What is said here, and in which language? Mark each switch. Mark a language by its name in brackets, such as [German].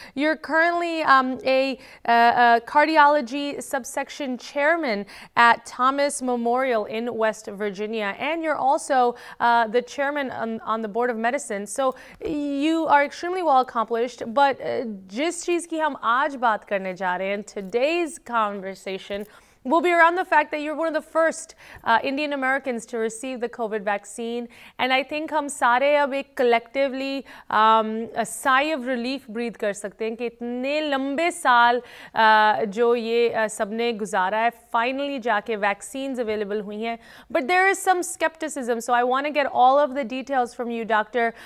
[English] You're currently a cardiology subsection chairman at Thomas Memorial in West Virginia, and you're also the chairman on the board of medicine. So you are extremely well accomplished, but just she's [Hindi] कि हम आज बात करने जा रहे हैं, [English] today's conversation will be around the fact that you're one of the first Indian Americans to receive the COVID vaccine. And I think [Hindi] हम सारे अब एक [English] collectively a sigh of relief breathe [Hindi] कर सकते हैं कि इतने लंबे साल जो ये सबने गुज़ारा है, finally जाके vaccines available हुई हैं। [English] But there is some skepticism, so I want to get all of the details from you, doctor.